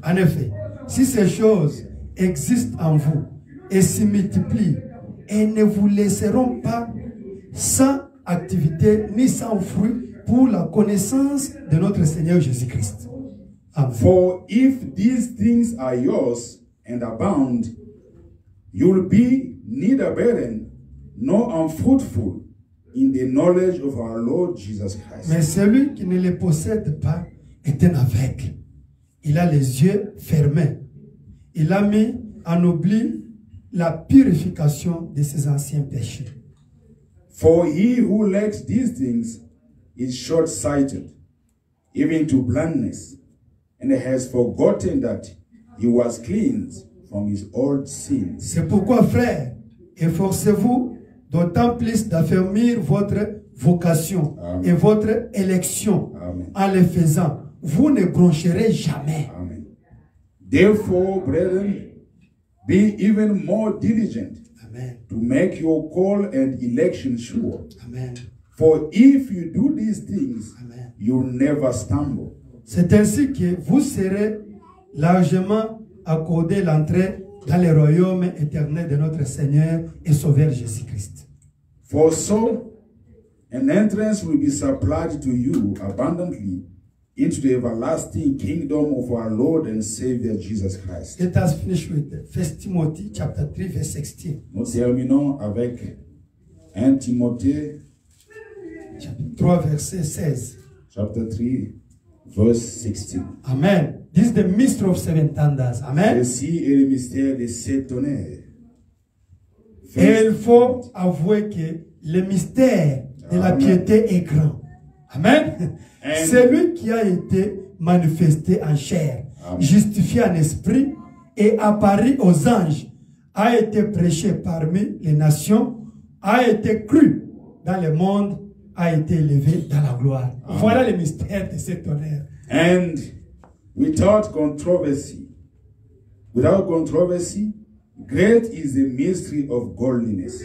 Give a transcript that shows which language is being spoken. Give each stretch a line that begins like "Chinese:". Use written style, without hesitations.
French: En effet, si ces choses existent en vous et s'y multiplient, et ne vous laisseront pas sans activité ni sans fruit pour la connaissance de notre Seigneur Jésus-Christ. Amen.
English: For if these things are yours and abound, you'll be neither barren nor unfruitful in the knowledge of our Lord Jesus Christ.
French: Mais celui qui ne les possède pas est un aveugle. Il a les yeux fermés. Il a mis en oubli la purification de ses anciens péchés.
English: For he who lacks these things is short-sighted, even to blindness, and has forgotten that he was cleansed from his old sins.
French: C'est pourquoi, frère, efforcez-vous d'autant plus d'affermir votre vocation. Amen. Et votre élection. Amen. En les faisant, vous ne broncherez jamais.
English: Amen. Therefore, brethren, be even more diligent. Amen. To make your call and election sure. Amen. For if you do these things, amen, you'll never stumble.
French: C'est ainsi que vous serez largement accordé l'entrée dans le royaume éternel de notre Seigneur et Sauveur Jésus-Christ.
English: For so, an entrance will be supplied to you abundantly into the everlasting kingdom of our Lord and Savior Jesus Christ. Let us finish with 1 Timothy chapter 3, verse 16.
French: Nous terminons avec 1 Timothée, chapter 3, verset 16.
English: Chapter 3, verse 16. Amen. This is the mystery of seven thunders. Amen.
French: Ceci est le mystère des sept tonnerres. Et il faut avouer que le mystère de la piété est grand. Amen.
English: And
French: celui qui a été manifesté en chair, amen, justifié en esprit et apparu aux anges, a été prêché parmi les nations, a été cru dans le monde, a été élevé dans la gloire. Amen. Voilà le mystère de cet honneur.
English: And without controversy, great is the mystery of godliness.